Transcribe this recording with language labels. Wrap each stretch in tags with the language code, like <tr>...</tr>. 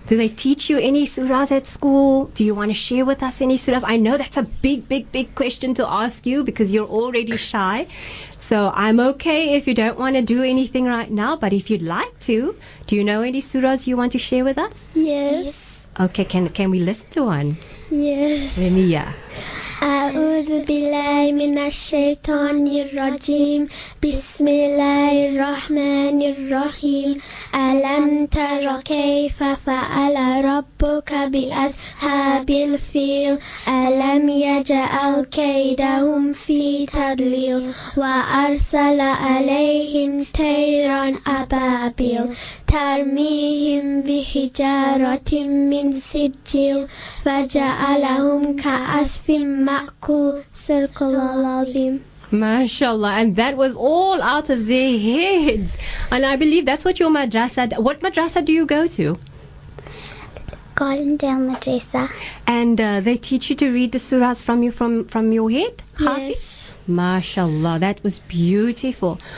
<en>Do they teach you any surahs at school? Do you want to share with us any surahs? I know that's a big, big, big question to ask you because you're already shy. So I'm okay if you don't want to do anything right now, but if you'd like to, do you know any surahs you want to share with us? Yes. Okay, can we listen to one? Yes. Let me, yeah.</en> <ar>أعوذ بالله من الشيطان الرجيم بسم الله الرحمن الرحيم ألم تر كيف فعل ربك بأصحاب الفيل ألم يجعل كيدهم في تضليل وأرسل عليهم طيرا أبابيل ترميهم بحجارة من سجيل فجعلهم كعصف مأكول سرقل العظيم.</ar> <en>MashaAllah, and that was all out of their heads. And I believe that's what your madrasa, what madrasa do you go to? Gardendale Madrasa. And they teach you to read the surahs from you from your head? Yes. MashaAllah, that was beautiful.</en>